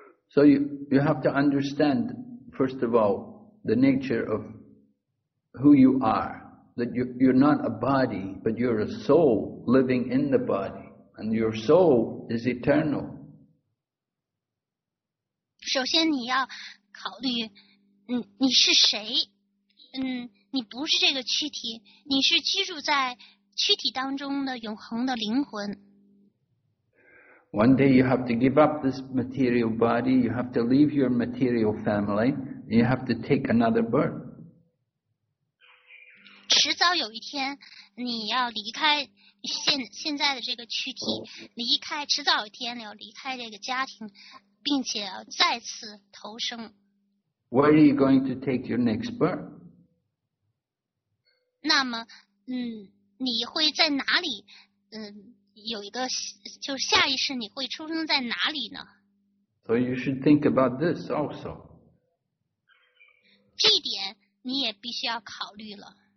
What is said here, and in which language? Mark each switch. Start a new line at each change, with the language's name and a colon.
English: So you have to understand, first of all,the nature of who you are, that you're not a body, but you're a soul living in the body, and your soul is eternal.
Chinese: 首先你要考虑 你是谁，你不是这个躯体，你是居住在躯体当中的永恒的灵魂。
English: One day you have to give up this material body, you have to leave your material family,You have to take another birth.
Chinese: 迟早有一天，你要离开现在的这个躯体，离开，迟早有一天要离开这个家庭，并且要再次投生。
English: Where are you going to take your next birth?
Chinese: 那么你会在哪里有一个就是下一世你会出生在哪里呢？
English: So you should think about this also.
Chinese: 这点你也必须要考虑了。